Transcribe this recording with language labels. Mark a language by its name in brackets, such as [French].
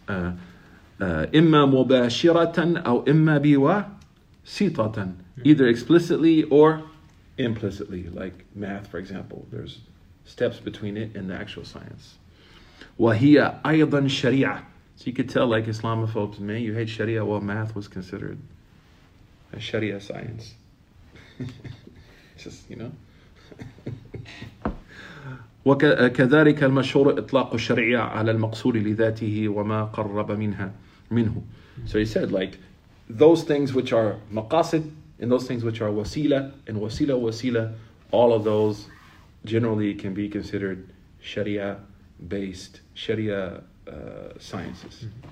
[Arabic] إِمَّا مُبَاشِرَةً أَوْ إِمَّا بِوَاسِطَةً [English] Either explicitly or implicitly, like math, for example. There's steps between it and the actual science. [Arabic] وَهِيَ أَيْضًا شَرِيعًا [English] So you could tell, like Islamophobes, man, you hate Sharia, well, math was considered a Sharia science. Just, you know. [Arabic] وكذلك المشهور إطلاق الشريعة على المقصور لذاته وما قرب منها منه. [English] So he said like those things which are maqasid and those things which are wasila and wasila wasila, all of those generally can be considered sharia based sharia sciences.